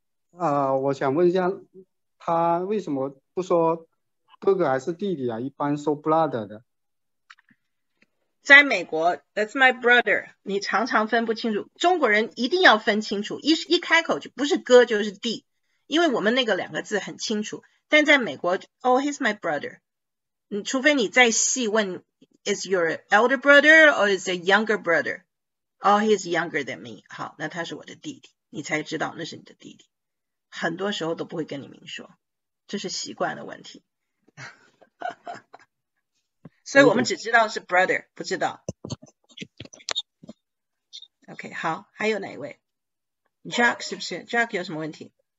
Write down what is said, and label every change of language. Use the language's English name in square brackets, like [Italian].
[Chinese] 啊，我想问一下，他为什么不说哥哥还是弟弟啊？一般说 brother 的。在美国 ， [English] That's my brother， [Chinese] 你常常分不清楚。中国人一定要分清楚，一开口就不是哥就是弟，因为我们那个两个字很清楚。但在美国 [English] ，Oh, he's my brother。 [Chinese] 你除非你再细问 [English] ，Is your elder brother or is a younger brother? Oh, he's younger than me。 [Chinese] 好，那他是我的弟弟，你才知道那是你的弟弟。很多时候都不会跟你明说，这是习惯的问题。所以我们只知道是 brother， 不知道。 OK， 好，还有哪一位 ？Jack 是不是 ？Jack 有什么问题？